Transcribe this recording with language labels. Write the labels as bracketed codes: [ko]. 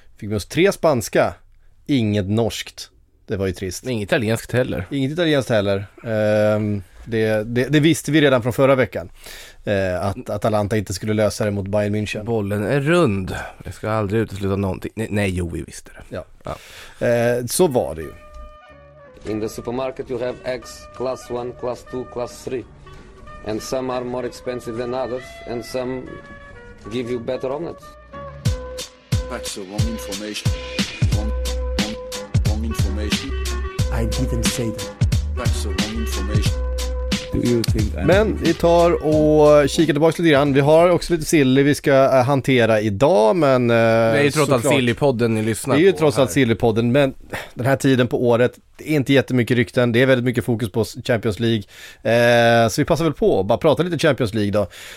[sv] Fick med oss tre spanska. Inget norskt. Det var ju trist. Inget italienskt heller. Inget italienskt heller. Det visste vi redan från förra veckan. Att Atalanta inte skulle lösa det mot Bayern München. Bollen är rund. Det ska aldrig utesluta någonting. Nej, jo, vi visste det. Ja. Ja. Så var det ju. [en] In the supermarket you have eggs class 1, class 2, class 3. And some are more expensive than others and some give you better omelets. That's the wrong information. Wrong information. I didn't say that. That's the wrong information. [sv] Men vi tar och kikar tillbaka lite grann. Vi har också lite silly vi ska hantera idag, men det är ju trots allt silly-podden ni lyssnar på. Det är ju trots allt silly-podden, men den här tiden på året, det är inte jättemycket rykten. Det är väldigt mycket fokus på Champions League. Så vi passar väl på att bara prata lite Champions League då.